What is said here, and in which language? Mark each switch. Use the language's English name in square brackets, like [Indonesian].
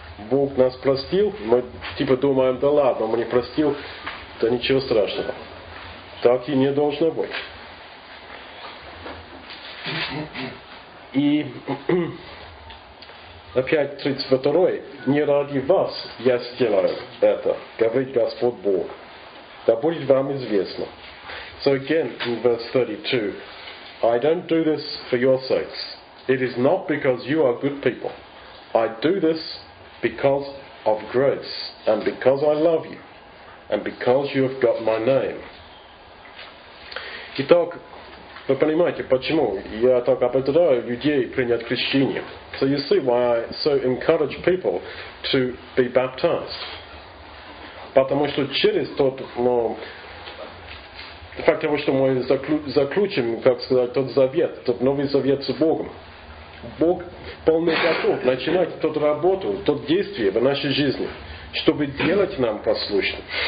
[Russian] Бог нас простил, мы думаем, да ладно, он не простил, да ничего страшного. Так и не должно быть. И опять 32-й, не ради вас я сделаю это, говорит Господь Бог. Да будет вам известно. [English] So again, in verse 32, I don't do this for your sakes. It is not because you are good people. I do this because of grace, and because I love you, and because you have got my name. [Russian] Итак, вы понимаете, почему я так ободряю людей принять крещение. [English] So you see why I so encourage people to be baptized. [Russian] Потому что через тот, факт того, что мы заключим, как сказать, тот завет, тот новый завет с Богом. Бог полный готов начинать тот работу, тот действие в нашей жизни, чтобы делать нам послушным.